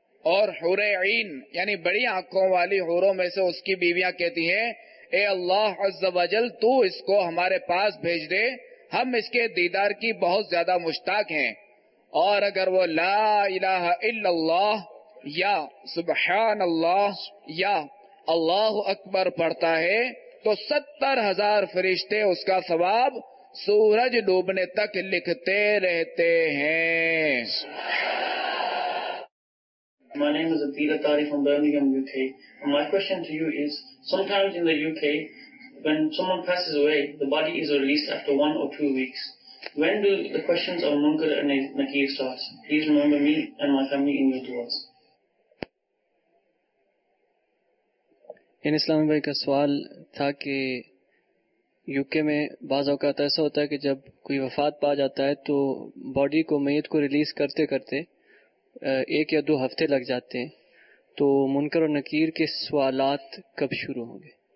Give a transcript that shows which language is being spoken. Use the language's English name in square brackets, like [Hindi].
[Urdu] اور حور عین یعنی بڑی آنکھوں والی حوروں میں سے اس کی بیویاں کہتی ہیں، اے اللہ عز و جل تو اس کو ہمارے پاس بھیج دے، ہم اس کے دیدار کی بہت زیادہ مشتاق ہیں، اور اگر وہ لا الہ الا اللہ یا سبحان اللہ یا اللہ اکبر پڑھتا ہے تو 70,000 فرشتے اس کا ثواب سورج ڈوبنے تک لکھتے رہتے ہیں۔ [English] My name is Adila Tari from Birmingham, UK. And my question to you is, sometimes in the UK, when someone passes away, the body is released after 1 or 2 weeks. When do the questions of Munkar and Nakir start? Please remember me and my family in your duas. In Islam, [Urdu] bhai ka sawal tha ki UK میں بعض اوقات ایسا ہوتا ہے کہ جب کوئی وفات پا جاتا ہے تو باڈی کو میت کو ریلیز کرتے کرتے ایک یا دو ہفتے لگ جاتے ہیں، تو منکر اور نکیر کے سوالات کب شروع ہوں گے؟